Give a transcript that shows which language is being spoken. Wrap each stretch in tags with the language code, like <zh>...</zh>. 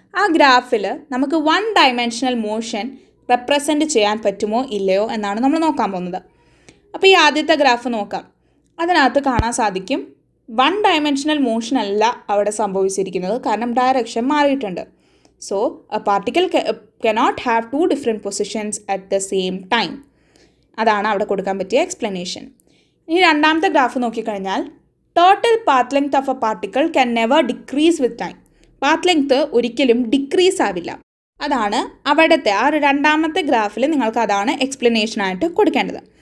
<ml>ആ ഗ്രാഫിൽ നമുക്ക് വൺ ഡയമെൻഷനൽ മോഷൻ റെപ്രസെൻറ്റ് ചെയ്യാൻ പറ്റുമോ ഇല്ലയോ എന്നാണ് നമ്മൾ നോക്കാൻ പോകുന്നത്. അപ്പോൾ ഈ ആദ്യത്തെ ഗ്രാഫ് നോക്കാം. അതിനകത്ത് കാണാൻ സാധിക്കും വൺ ഡയമെൻഷനൽ മോഷൻ അല്ല അവിടെ സംഭവിച്ചിരിക്കുന്നത്, കാരണം ഡയറക്ഷൻ മാറിയിട്ടുണ്ട്.</ml> <en>So a particle cannot have two different positions at the same time.</en> <ml>അതാണ് അവിടെ കൊടുക്കാൻ പറ്റിയ എക്സ്പ്ലനേഷൻ. ഇനി രണ്ടാമത്തെ ഗ്രാഫ് നോക്കിക്കഴിഞ്ഞാൽ</ml> <en>Total path length of a particle can never decrease with time.</en> <ml>Path length ഒരിക്കലും ഡിക്രീസ് ആവില്ല. അതാണ് അവിടുത്തെ ആ ഒരു രണ്ടാമത്തെ ഗ്രാഫിൽ നിങ്ങൾക്ക് അതാണ് എക്സ്പ്ലനേഷനായിട്ട് കൊടുക്കേണ്ടത്.</ml>